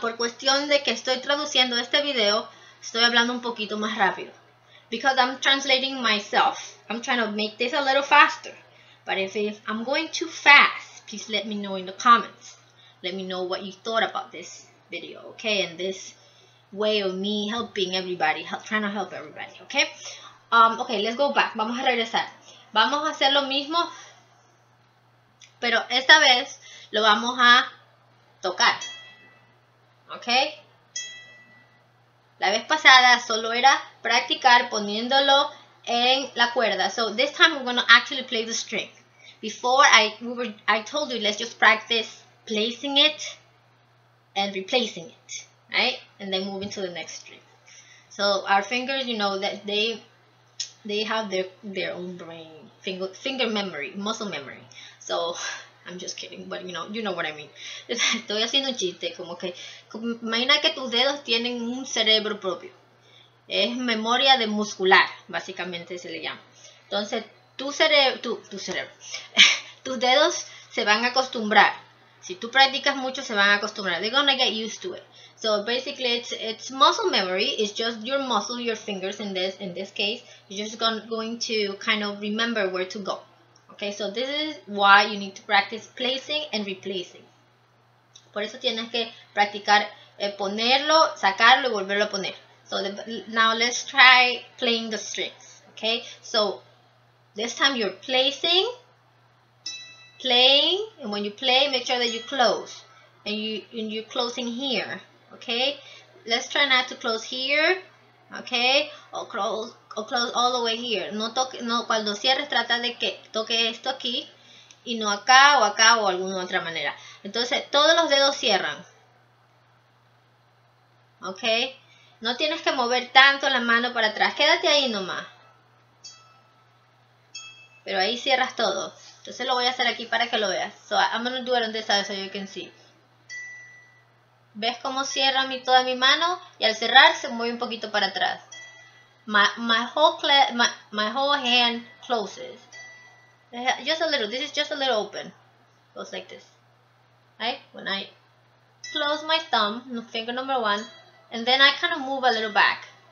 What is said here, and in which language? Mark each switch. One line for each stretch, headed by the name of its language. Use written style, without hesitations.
Spanish: Por cuestión de que estoy traduciendo este video, estoy hablando un poquito más rápido.
English: Because I'm translating myself, I'm trying to make this a little faster. But if I'm going too fast, please let me know in the comments. Let me know what you thought about this video, okay? And this way of me helping everybody, trying to help everybody, okay? Okay, let's go back.
Spanish: Vamos a regresar. Vamos a hacer lo mismo, pero esta vez lo vamos a tocar, okay? La vez pasada solo era practicar poniéndolo en la cuerda.
English: So this time we're going to actually play the string. Before I told you, let's just practice placing it and replacing it, right? And then moving to the next string. So our fingers, you know, that they have their own brain, finger memory, muscle memory. So I'm just kidding, but you know what I mean.
Spanish: Estoy haciendo un chiste, como que imagina que tus dedos tienen un cerebro propio. Es memoria de muscular, básicamente se le llama. Entonces, tu cerebro. Tus dedos se van a acostumbrar. Si tú practicas mucho, se van a acostumbrar.
English: They're gonna get used to it. So basically it's muscle memory. It's just your muscle, your fingers in this case, you're just going to kind of remember where to go. Okay, so this is why you need to practice placing and replacing.
Spanish: Por eso tienes que practicar ponerlo, sacarlo y volverlo a poner.
English: So now let's try playing the strings. Okay, so this time you're placing, playing, and when you play, make sure that you close. And you're closing here, okay? Let's try not to close here, okay? Or close all the way here.
Spanish: No toque, no, cuando cierres, trata de que toque esto aquí y no acá o acá o alguna otra manera. Entonces, todos los dedos cierran. ¿Ok? No tienes que mover tanto la mano para atrás. Quédate ahí nomás. Pero ahí cierras todo. Entonces, lo voy a hacer aquí para que lo veas.
English: So, I'm going to do it on this side so you can see.
Spanish: ¿Ves cómo cierra toda mi mano? Y al cerrar, se mueve un poquito para atrás.
English: My whole hand closes. Just a little. This is just a little open. Goes like this. Right? When I close my thumb, finger number 1, and then I kind of move a little back.